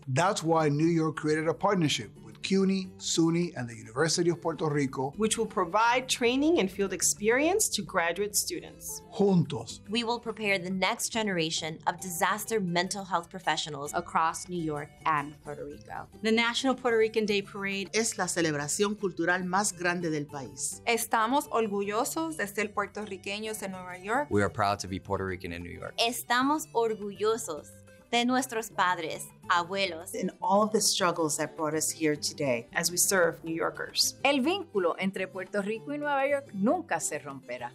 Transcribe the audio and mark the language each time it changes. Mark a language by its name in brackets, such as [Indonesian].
[English] That's why New York created a partnership with CUNY, SUNY, and the University of Puerto Rico, which will provide training and field experience to graduate students. [Spanish] Juntos, [English] we will prepare the next generation of disaster mental health professionals across New York and Puerto Rico. The National Puerto Rican Day Parade [Spanish] es la celebración cultural más grande del país. Estamos orgullosos de ser puertorriqueños en Nueva York. [English] We are proud to be Puerto Rican in New York. [Spanish] Estamos orgullosos de nuestros padres, abuelos, [English] and all of the struggles that brought us here today as we serve New Yorkers. [Spanish] El vínculo entre Puerto Rico y Nueva York nunca se romperá.